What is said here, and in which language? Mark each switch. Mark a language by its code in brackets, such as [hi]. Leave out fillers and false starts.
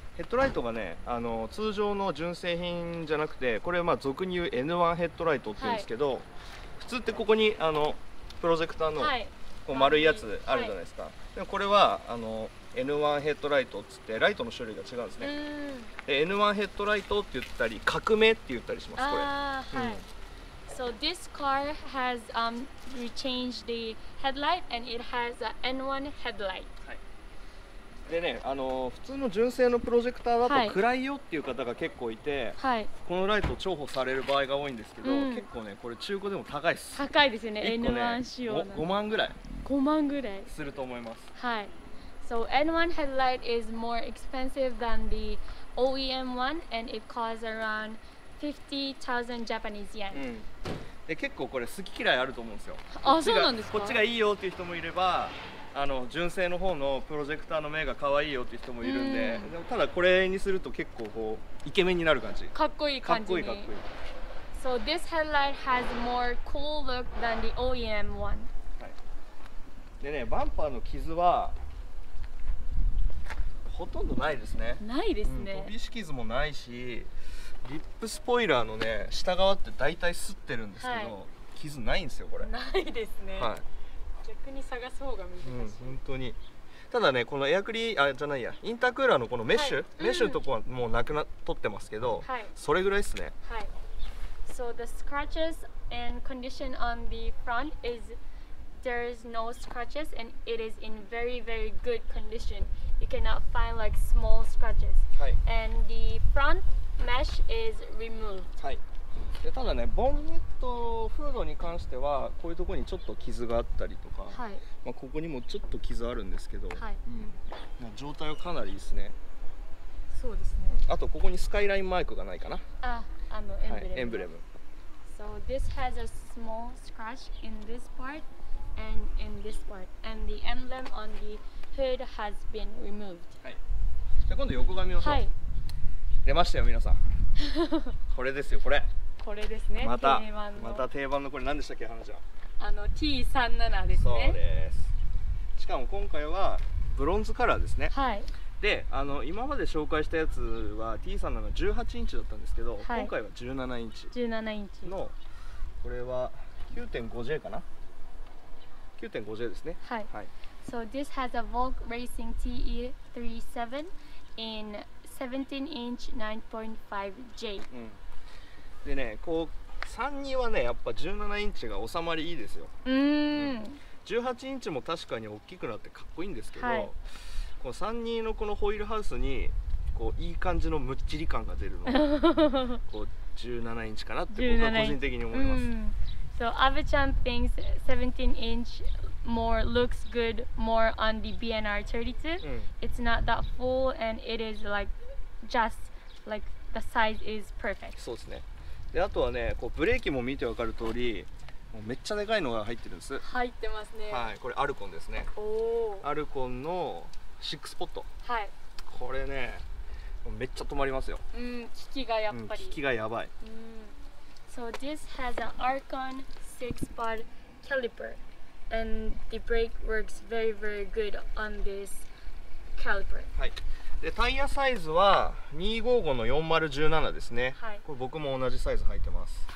[ja] ヘッドライトがね、あの通常の純正品じゃなくてこれはまあ俗に言う N1 ヘッドライトって言うんですけど、はい、普通ってここにあのプロジェクターのこう丸いやつあるじゃないですか、はい、でもこれはあのN1 ヘッドライトっつってライトの種類が違うんですね。で N1 ヘッドライトって言ったり革命って言ったりします。はい、うん。 [en] So this car has rechanged the headlight and it has a N1 headlight. [ja] はい。でね、普通の純正のプロジェクターだと暗いよっていう方が結構いて、はい、このライト重宝される場合が多いんですけど、うん、結構ねこれ中古でも高いです。高いですよね。1個ね、N1 仕様の。 5万ぐらい。 5万ぐらい。すると思います。はい。 [en] So N1 headlight is more expensive than the OEM one and it costs around 50,000 Japanese yen.、 [ja] うん、で結構これ好き嫌いあると思うんですよ。あ、そうなんですか。こっちがいいよっていう人もいれば、あの純正の方のプロジェクターの目が可愛いよっていう人もいるんで、うん、でもただこれにすると結構こうイケメンになる感じ。かっこいい感じに。かっこいい、かっこいい。 [en] So this headlight has more cool look than the OEM one、 [ja] はい、でね、バンパーの傷はほとんどないですね。ないですね、うん、飛び石傷もないし、リップスポイラーのね下側って大体擦ってるんですけど、はい、傷ないんですよこれ。ないですね、はい、逆に探す方が難しい、うん、本当に。ただね、このエアクリー、あ、じゃないや、インタークーラーのこのメッシュ、はい、メッシュのとこはもうなくなっ、取ってますけど、はい、それぐらいですね。はい。 [en] So the scratches and condition on the front is there is no scratches and it is in very very good condition. You cannot find like small scratches. [ja] はい。 [en] And the front mesh is removed. [ja] はい。で、ただね、ボンネットフードに関してはこういうところにちょっと傷があったりとか、はい。まあ、ここにもちょっと傷あるんですけど、はい。うん。まあ、状態はかなりいいですね。そうですね。あとここにスカイラインマークがないかな。あ、あのエンブレム。はい、エンブレム。 [en] So this has a small scratch in this part and in this part, and the emblem on theHood has been removed. [ja] はい。じゃあ今度横髪を、はい、出ましたよ皆さん。これですよ、これ。これですね。また定番の、また定番のこれ何でしたっけ、花ちゃん。あの T37 ですね。そうです。しかも今回はブロンズカラーですね。はい。で、あの今まで紹介したやつは T37 が18インチだったんですけど、はい、今回は17インチ。 17インチ。のこれは 9.5J かな。9.5J ですね。はい。はい。 [en] So this has a Volk Racing TE37 in 17 inch 9.5J、 [ja] うん、でね、こう 3人はね、やっぱ17インチが収まりいいですよ。うん、 18インチも確かに大きくなってかっこいいんですけど、はい、この3人のこのホイールハウスにこういい感じのムッチリ感が出るのがこう17インチかなって僕は個人的に思います。 [en] So, Abe-chan thinks 17 inch more looks good more on the BNR 32. It's not that full and it is like just like the size is perfect. [ja] そうですね。で、あとはね、こうブレーキも見てわかる通り、もうめっちゃでかいのが入ってるんです。入ってますね。はい、これアルコンですね。おアルコンの6スポット。はい。これね、めっちゃ止まりますよ。うん、効きがやっぱり。効きがやばい。うん。 [en] So this has an Archon 6-spot caliper and the brake works very very good on this caliper. [ja] はい。で、タイヤサイズは255の4017ですね。はい。これ僕も同じサイズ履いてます。